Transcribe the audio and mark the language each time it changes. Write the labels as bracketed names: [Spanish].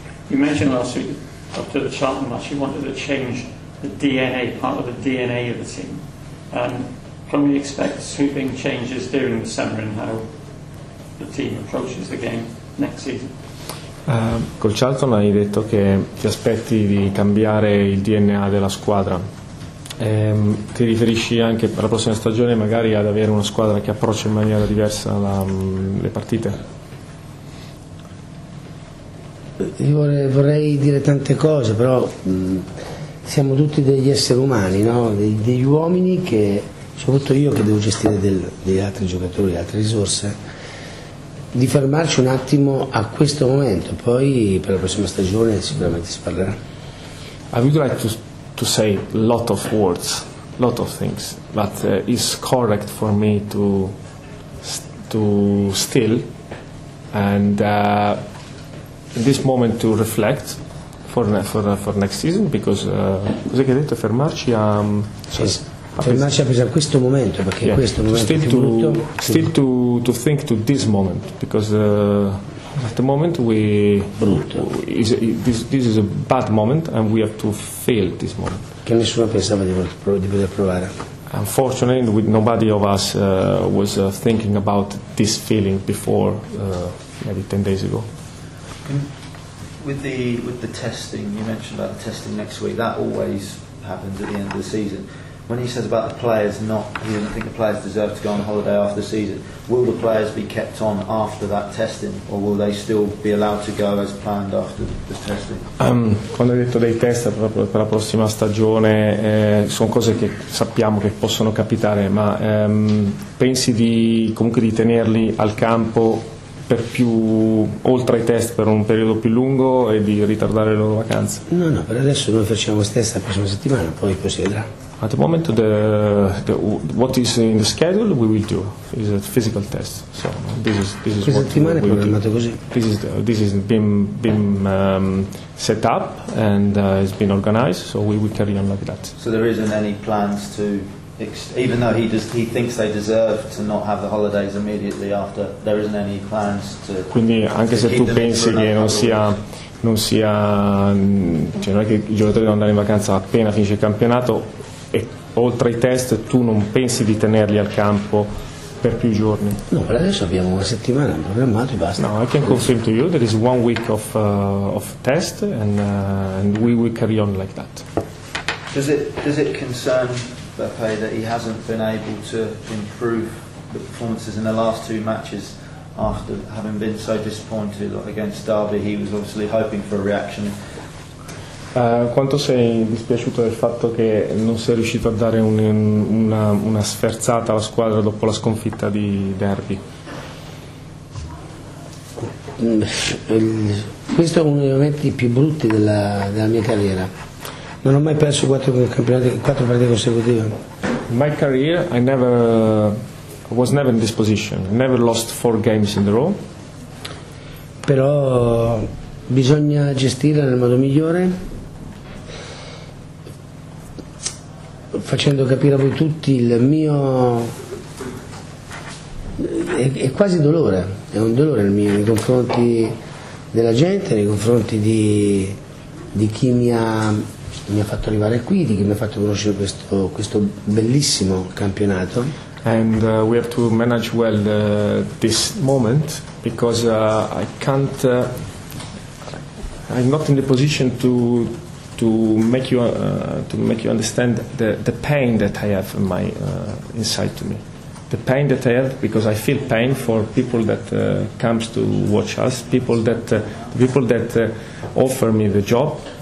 [English] You mentioned last week, after the Charlton match, you wanted to change the DNA, part of the DNA of the team. Can we expect sweeping changes during the summer in how the team approaches the game next season? [Italian] Col Charlton hai detto che ti aspetti di cambiare il DNA della squadra. Ti riferisci anche per la prossima stagione magari ad avere una squadra che approccia in maniera diversa le partite? Io vorrei dire tante cose, però siamo tutti degli esseri umani, no? Degli uomini, che soprattutto io, che devo gestire degli altri giocatori, altre risorse. Di fermarci un attimo a questo momento, poi per la prossima stagione sicuramente si parlerà. [English] I would like to say lot of words, lot of things, but it's correct for me to still and in this moment to reflect for next season, because [Italian] cos'è che hai detto? Fermarci a fermarci a pensare a questo momento, perché yeah, questo momento [English] still [Italian] è più brutto. [English] Still to think to this moment, because at the moment we [Italian] brutto. [English] This is a bad moment and we have to fail this moment. [Italian] Che nessuno pensava di poter provare. [English] Unfortunately, nobody of us was thinking about this feeling before maybe 10 days ago. With the testing, you mentioned about the testing next week. That always happens at the end of the season. When he says about the players not, he doesn't think the players deserve to go on holiday after the season, will the players be kept on after that testing, or will they still be allowed to go as planned after the testing? [Italian] Quando hai detto dei test per la prossima stagione, sono cose che sappiamo che possono capitare, ma pensi comunque di tenerli al campo per più, oltre ai test, per un periodo più lungo e di ritardare le loro vacanze? No, per adesso noi facciamo questo test la prossima settimana, poi si vedrà. [English] At the moment, the what is in the schedule we will do is a physical test. So this is [Italian] questa settimana è programmato così. [English] This is been set up and it's been organized, so we will carry on like that. So there isn't any plans to even though he thinks they deserve to not have the holidays immediately after, there isn't any plans to. [Italian] Quindi anche se tu pensi che non sia cioè non è che i giocatori devono andare in vacanza appena finisce il campionato, e oltre ai test tu non pensi di tenerli al campo per più giorni? No, per adesso abbiamo una settimana programmata e basta. [English] No, I can confirm to you there is one week of test and we will carry on like that. Does it concern Beppe that he hasn't been able to improve the performances in the last two matches after having been so disappointed against Derby? He was obviously hoping for a reaction. [Italian] Quanto sei dispiaciuto del fatto che non sei riuscito a dare una sferzata alla squadra dopo la sconfitta di Derby? Questo è uno dei momenti più brutti della mia carriera. Non ho mai perso quattro partite consecutive. [English] In my career I was never in this position. I never lost four games in a row. [Italian] Però bisogna gestirla nel modo migliore, facendo capire a voi tutti il mio è quasi dolore, è un dolore il mio nei confronti della gente, nei confronti di chi mi ha fatto arrivare qui, di chi mi ha fatto conoscere questo bellissimo campionato. [English] And we have to manage well this moment because I'm not in the position to make you understand the pain that I have in my inside to me, the pain that I have because I feel pain for people that comes to watch us, people that offer me the job.